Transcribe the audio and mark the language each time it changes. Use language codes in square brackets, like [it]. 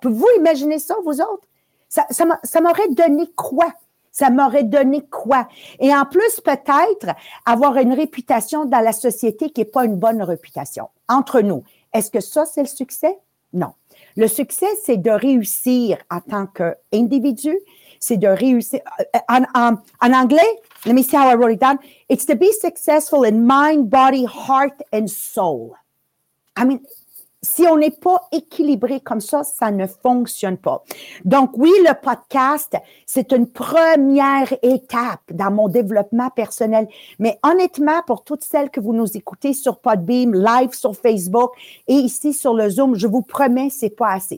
[fr] Pouvez-vous imaginer ça, vous autres? Ça m'aurait donné quoi? Ça m'aurait donné quoi? Et en plus, peut-être, avoir une réputation dans la société qui n'est pas une bonne réputation. Entre nous, est-ce que ça, c'est le succès? Non. Le succès, c'est de réussir en tant qu'individu. C'est de réussir. En anglais, [en] let me see how I wrote it down. It's to be successful in mind, body, heart and soul. [fr] I mean, si on n'est pas équilibré comme ça, ça ne fonctionne pas. Donc oui, le podcast, c'est une première étape dans mon développement personnel. Mais honnêtement, pour toutes celles que vous nous écoutez sur Podbeam, live sur Facebook et ici sur le Zoom, je vous promets, c'est pas assez.